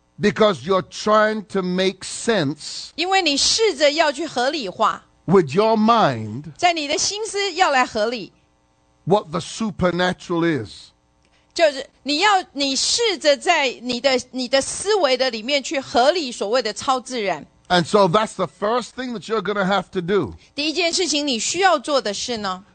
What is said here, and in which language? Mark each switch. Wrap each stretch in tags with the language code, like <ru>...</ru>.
<en>because you're trying to make sense</en> <zh>因为你试着要去合理化</zh> <en>with your mind</en> <zh>在你的心思要来合理</zh> <en>what the supernatural is</en> <zh>就是你试着在你的思维的里面去合理所谓的超自然。</zh> <en>And so that's the first thing that you're going to have to do.</en> <zh>第一件事情你需要做的是呢</zh>